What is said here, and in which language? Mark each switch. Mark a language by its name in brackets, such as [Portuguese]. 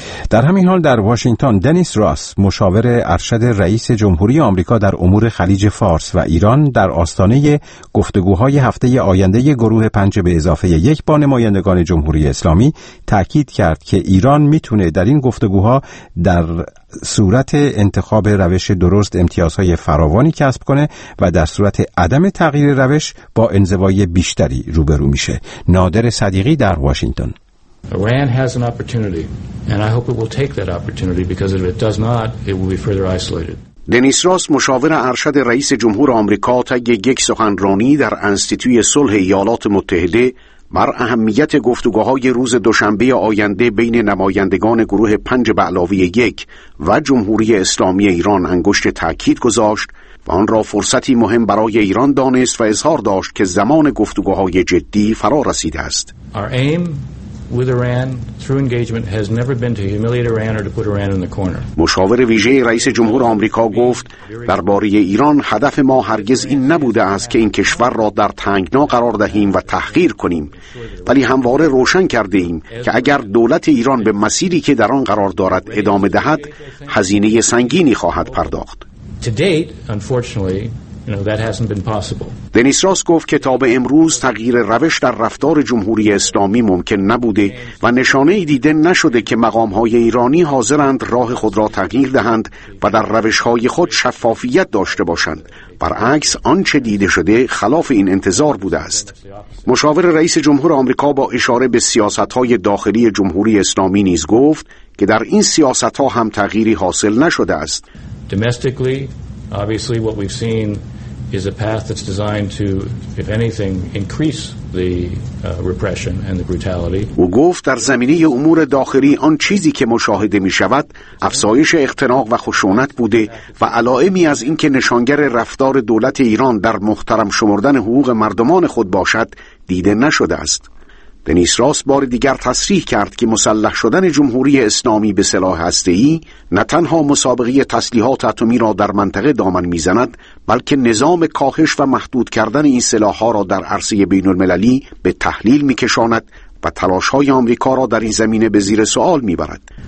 [Persian] در همین حال در واشنگتن دنیس راس، مشاور ارشد رئیس جمهوری آمریکا در امور خلیج فارس و ایران، در آستانه گفتگوهای هفته آینده گروه 5 به اضافه 1 با نمایندگان جمهوری اسلامی تاکید کرد که ایران میتونه در این گفتگوها در صورت انتخاب روش درست امتیازهای فراوانی کسب کنه و در صورت عدم تغییر روش با انزوای بیشتری روبرو میشه. نادر صدیقی در واشنگتن. [English] Iran has an opportunity and I hope it will take that opportunity because if it does not it will be further isolated. [Persian] دنیس راس مشاور ارشد رئیس جمهور آمریکا طی یک سخنرانی در انستیتوی صلح ایالات متحده بر اهمیت گفتگوهای روز دوشنبه آینده بین نمایندگان گروه 5 به علاوه 1 و جمهوری اسلامی ایران انگشت تاکید گذاشت و آن را فرصتی مهم برای ایران دانست و اظهار داشت که زمان گفتگوهای جدی فرا رسیده است. [English] Our aim with Iran through engagement has never been to humiliate Iran or to put Iran in the corner. [Persian] مشاور ویژه رئیس جمهور آمریکا گفت درباره ایران هدف ما هرگز این نبوده است که این کشور را در تنگنا قرار دهیم و تحقیر کنیم، ولی همواره روشن کرده ایم که اگر دولت ایران به مسیری که در آن قرار دارد ادامه دهد، هزینه سنگینی خواهد پرداخت. [English] To date, unfortunately, that hasn't been possible. [Persian] دنیس راس گفت که تا به امروز تغییر روش در رفتار جمهوری اسلامی ممکن نبوده و نشانه دیده نشده که مقام‌های ایرانی حاضرند راه خود را تغییر دهند و در روش‌های خود شفافیت داشته باشند. برعکس، آنچه دیده شده خلاف این انتظار بوده است. مشاور رئیس جمهور آمریکا با اشاره به سیاست‌های داخلی جمهوری اسلامی نیز گفت که در این سیاست‌ها هم تغییری حاصل نشده است. [English] Domestically, obviously what we've seen is a path that's designed to, if anything, increase the repression and the brutality. [Persian] او گفت در زمینه امور داخلی آن چیزی که مشاهده می شود افزایش اختناق و خشونت بوده و علائمی از این که نشانگر رفتار دولت ایران در محترم شمردن حقوق مردمان خود باشد دیده نشده است. دنیس راس بار دیگر تصریح کرد که مسلح شدن جمهوری اسلامی به سلاح هسته‌ای نه تنها مسابقه تسلیحات اتمی را در منطقه دامن می‌زند، بلکه نظام کاهش و محدود کردن این سلاح‌ها را در عرصه بین‌المللی به تحلیل می‌کشاند و تلاش‌های آمریکا را در این زمینه به زیر سوال می‌برد.